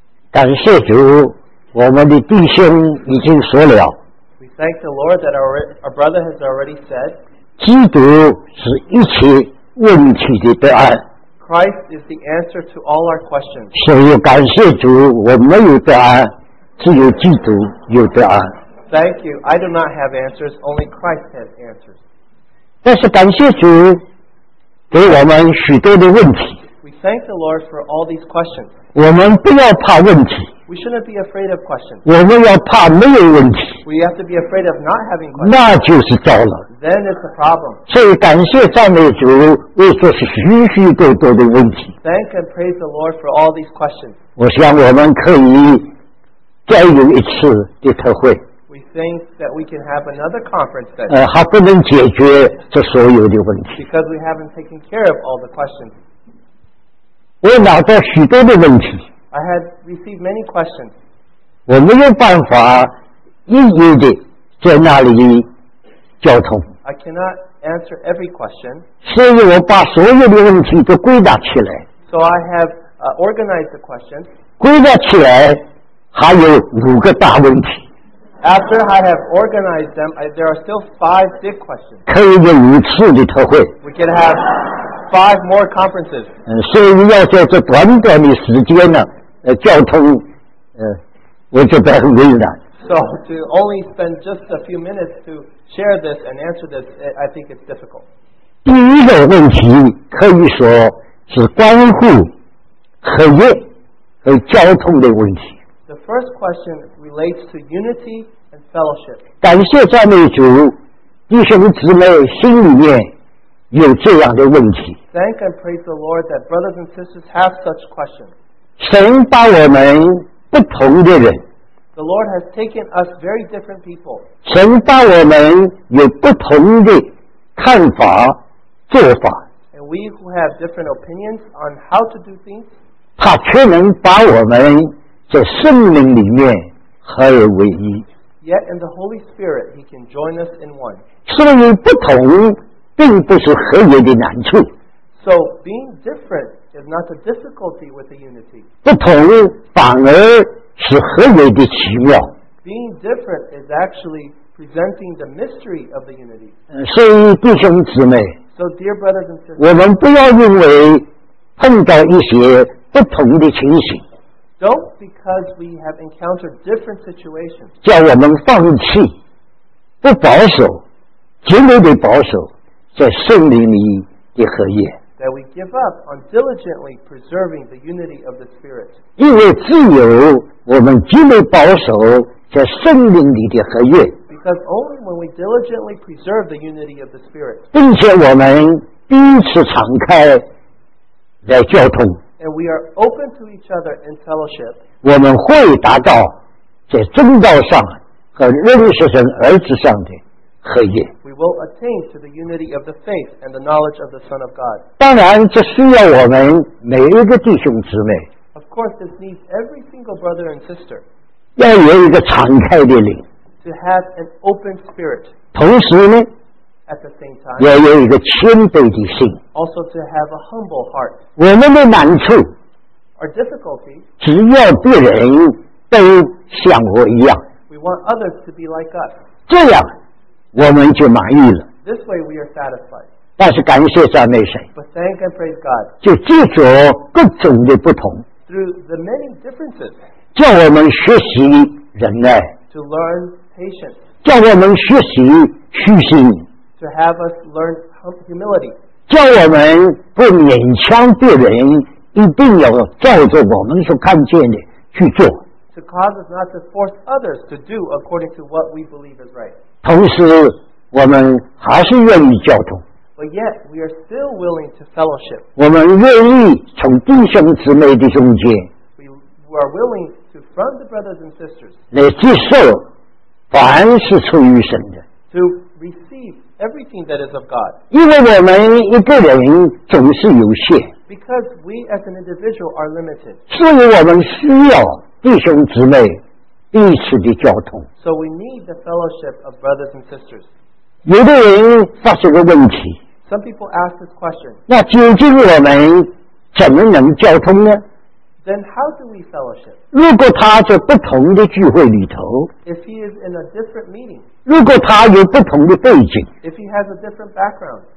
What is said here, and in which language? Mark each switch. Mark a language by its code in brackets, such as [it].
[zh] 感谢主，我们的弟兄已经说了。 [en] We thank the Lord that our brother has already said. [zh] 基督是一切问题的答案。 [en] Christ is the answer to all our questions. [zh] 所以感谢主，我没有答案，只有基督有答案。 [en] Thank you. I do not have answers. Only Christ has answers. [zh] 但是感谢主，给我们许多的问题。 [en] We thank the Lord for all these questions. [zh] 我们不要怕问题。 [en] We shouldn't be afraid of questions. [zh] 我们要怕没有问题。 [en] We have to be afraid of not having questions. [zh] 那就是糟了。 [en] Then it's a problem. [zh] 所以感谢赞美主，为这是许许多多的问题。 [en] Thank and praise the Lord for all these questions. [zh] 我想我们可以再有一次的特会。 [en] We think that we can have another conference then. [zh] 还不能解决这所有的问题。 [en] Because we haven't taken care of all the questions. [zh] 我脑袋许多的问题 [en] I had received many questions. [zh] 我没有办法一一的在那里交通 [en] I cannot answer every question. [zh] 所以我把所有的问题都归纳起来 [en] So I have organized the questions. [zh] 归纳起来还有五个大问题 [en] After I have organized them, there are still five big questions. [zh] 可以有五次的特会 [en] We can have five more conferences. [zh] 所以要在这短短的时间呢，交通，我觉得很困难。 [en] So to only spend just a few minutes to share this and answer this, I think it's difficult. [zh] 第一个问题可以说是关乎合约和交通的问题。 [en] The first question relates to unity and fellowship. [zh] 感谢赞美主，弟兄姊妹心里面有这样的问题。 [en] Thank and praise the Lord that brothers and sisters have such questions. [zh] 神把我们不同的人。 [en] The Lord has taken us very different people. [zh] 神把我们有不同的看法、做法。 [en] And we who have different opinions on how to do things. [zh] 他却能把我们在圣灵里面合而为一。 [en] Yet in the Holy Spirit, He can join us in one. [zh] 所以不同并不是合一的难处。 [en] So being different is not a difficulty with the unity. [zh] 不同反而是合一的奇妙。 [en] Being different is actually presenting the mystery of the unity. [zh] 所以弟兄姊妹， [en] so dear brothers and sisters, [zh] 我们不要因为碰到一些不同的情形。 [en] Don't because we have encountered different situations. [zh] 叫我们放弃，不保守，绝对得保守在圣灵里的合一。 [en] That we give up on diligently preserving the unity of the Spirit. [zh] 因为只有我们绝对保守在圣灵里的合一。 [en] Because only when we diligently preserve the unity of the Spirit. [zh] 并且我们彼此敞开来交通。 [en] And we are open to each other in fellowship. [zh] 我们会达到在真道上和认识神儿子上的合一。 [en] We will attain to the unity of the faith and the knowledge of the Son of God. [zh] 当然，这需要我们每一个弟兄姊妹。 [en] Of course, this needs every single brother and sister. [zh] 要有一个敞开的灵。 [en] To have an open spirit. [zh] 同时呢， [en] at the same time, [zh] 要有一个谦卑的心。 [en] Also to have a humble heart. [zh] 我们的难处， [en] our difficulty, [zh] 只要别人都像我一样。 [en] We want others to be like us. [zh] 这样我们就满意了。 [en] This way we are satisfied. [zh] 但是感谢赞美神， [en] but thank and praise God. [zh] 就记住各种的不同， [en] through the many differences, [zh] 叫我们学习忍耐， [en] to learn patience, [zh] 叫我们学习虚心， [en] to have us learn humility, [zh] 叫我们不勉强别人一定要照着我们所看见的去做， [en] to cause us not to force others to do according to what we believe is right. [zh] 同时我们还是愿意交通。 [en] But yet, we are still willing to fellowship. [zh] 我们愿意从弟兄姊妹的中间。 [en] We are willing to from the brothers and sisters. [zh] 来接受凡是出于神的。 [en] To receive everything that is of God. [zh] 因为我们一个人总是有限。 [en] Because we as an individual are limited. [zh] 所以我们需要弟兄姊妹彼此的交通。 [en] So we need the fellowship of brothers and sisters. [zh] 有的人发现个问题。 [en] Some people ask this question. [zh] 那究竟我们怎么能交通呢？ [en] Then how do we fellowship? [zh] 如果他在不同的聚会里头。 [en] If he is in a different meeting. [zh] 如果他有不同的背景。 [en] If he has a different background.